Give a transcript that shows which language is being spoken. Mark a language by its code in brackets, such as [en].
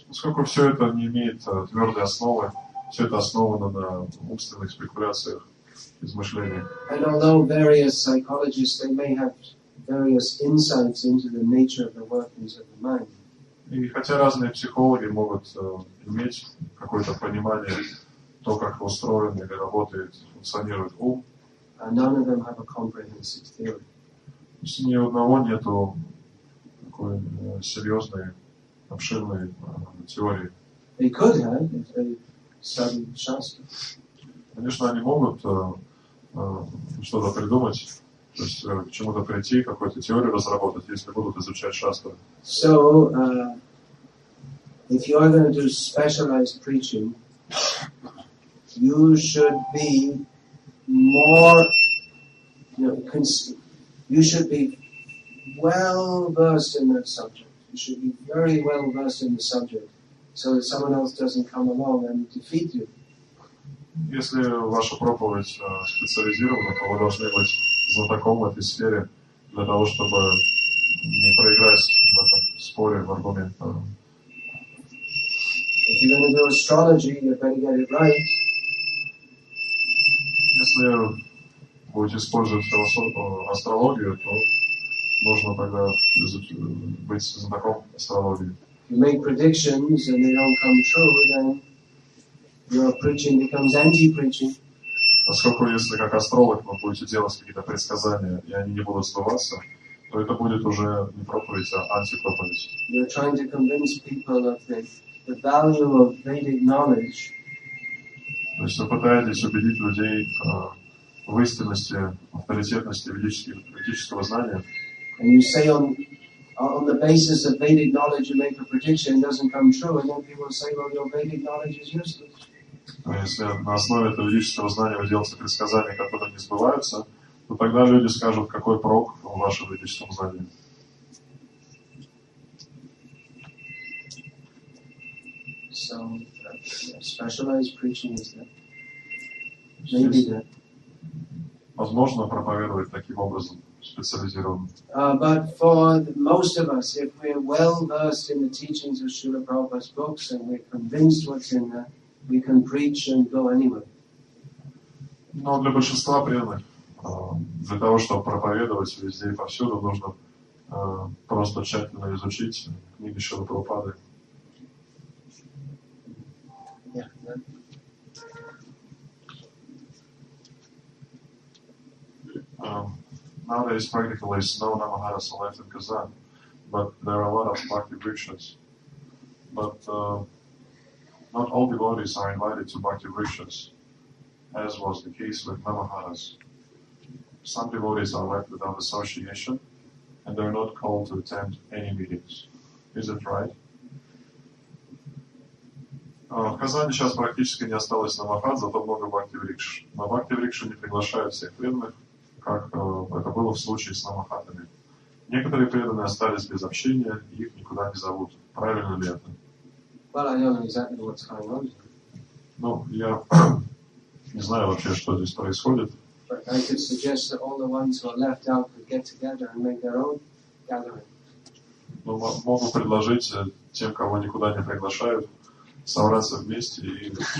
[ru] Поскольку все это не имеет твердой основы, все это основано на умственных спекуляциях, измышлениях. [en] And although various psychologists they may have various insights into the nature of the workings of the mind. [ru] И хотя разные психологи могут иметь какое-то понимание то, как устроен или работает, функционирует ум. [en] And none of them have a comprehensive theory. [ru] Ни у одного нет такой серьезной, обширной теории. [en] They could have, if they studied Shastra. [ru] Конечно, они могут что-то придумать, то есть к чему-то прийти, какую-то теорию разработать, если будут изучать Шастру. [en] So, if you are going to do specialized preaching, you should be you should be well versed in that subject. You should be very well versed in the subject, so that someone else doesn't come along and defeat you. [ru] Если ваша проповедь специализирована, то вы должны быть знатоком в этой сфере для того, чтобы не проиграть в этом споре, в аргументах. [en] If you're going to do astrology, you better get it right. [ru] Если будете использовать астрологию, то нужно тогда быть знаком с астрологией. [en] You make predictions and they don't come true, then your preaching becomes anti-preaching. [ru] Поскольку если как астролог вы будете делать какие-то предсказания, и они не будут сбываться, то это будет уже не проповедь, а антипроповедь. [en] You're trying to convince people of the value of Vedic knowledge. [ru] То есть вы пытаетесь убедить людей в истинности, авторитетности ведического знания. [en] And you say on the basis of Vedic knowledge you make a prediction, it doesn't come true, and then people say, well, your Vedic knowledge is useless. [ru] Если на основе этого ведического знания вы делаете предсказания, которые не сбываются, то тогда люди скажут, какой прок в вашем ведическом знании. [en] So, specialized preaching is that. Maybe that. [ru] Возможно, проповедовать таким образом, специализированно. [en] But for most of us, if we're well versed in the teachings of Srila Prabhupada's books and we're convinced what's in that, we can preach and go anywhere. [ru] Но для большинства преданных, для того, чтобы проповедовать везде и повсюду, нужно просто тщательно изучить книги Шрила Прабхупады. [en] Nowadays, practically, no Namahara is left in Kazan, but there are a lot of Bhakti Vrikshas. But not all devotees are invited to Bhakti Vrikshas, as was the case with Namaharas. Some devotees are left without association, and they are not called to attend any meetings. Is it right? [ru] В Казани сейчас практически не осталось намахат, зато много бхакти-врикш. На бхакти-врикши не приглашают всех преданных, как это было в случае с намахатами. Некоторые преданные остались без общения, и их никуда не зовут. Правильно ли это? [en] Well, I don't exactly what's going on. [ru] Ну, я не знаю вообще, что здесь происходит. [en] But I could suggest that all the ones who are left out could get together and make their own gathering. [ru] Ну, могу предложить тем, кого никуда не приглашают, собраться вместе и...